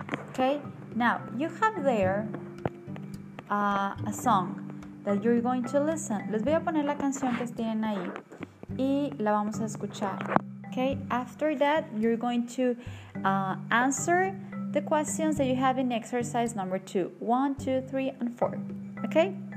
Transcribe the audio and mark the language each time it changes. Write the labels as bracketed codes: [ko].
[en] Okay, now you have there a song that you're going to listen. [es] Les voy a poner la canción que tienen ahí y la vamos a escuchar. [en] Okay, after that you're going to answer the questions that you have in exercise number 2, 1, 2, 3, and 4, okay?